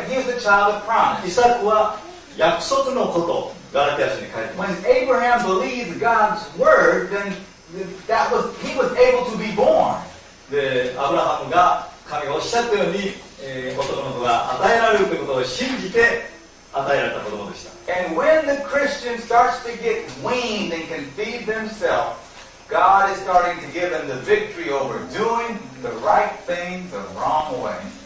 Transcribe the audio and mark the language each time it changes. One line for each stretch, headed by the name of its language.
Japanese: イサクは約束のことガラテヤ書に書いてます。
English: When Abraham believed God's word, then that was he was able to be born.
Japanese: で、アブラハムが神がおっしゃったように、男の子が与えられるということを信じて与えられた子供でした。
English: And when the Christian starts to get weaned and can feed themselves, God is starting to give them the victory over doing the right thing the wrong way.